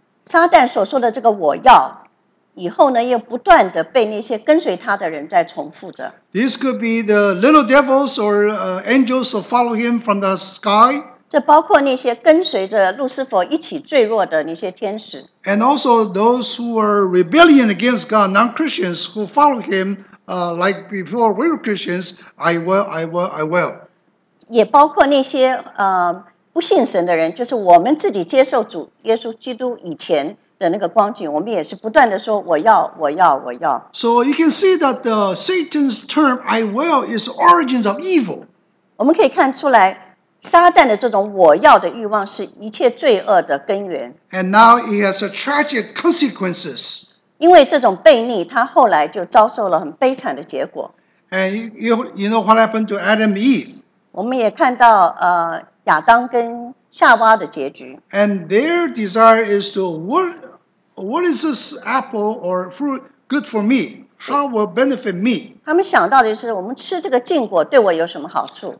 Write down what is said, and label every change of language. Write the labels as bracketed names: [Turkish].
[Chinese] 撒旦所说的这个我要以后呢又不断的被那些跟随他的人在重复着。 [English] This could be the little devils or angels who follow him from the sky. [Chinese] 这包括那些跟随着路西佛一起坠落的那些天使。 [English] And also those who are rebellion against God, non-Christians who follow him, like before we were Christians, I will, I will, I will. [Chinese] 也包括那些不信神的人，就是我们自己接受主耶稣基督以前的那个光景，我们也是不断的说我要，我要，我要。 [English] So you can see that the Satan's term "I will" is origins of evil. [Chinese] 我们可以看出来，撒旦的这种我要的欲望是一切罪恶的根源。 [English] And now it has a tragic consequences. [Chinese] 因为这种悖逆，他后来就遭受了很悲惨的结果。 [English] And you know what happened to Adam and Eve? [Chinese] 我们也看到亚当跟夏娃的结局。 [English] And their desire is to what is this apple or fruit good for me? How will benefit me? [Chinese] 他们想到的是，我们吃这个禁果对我有什么好处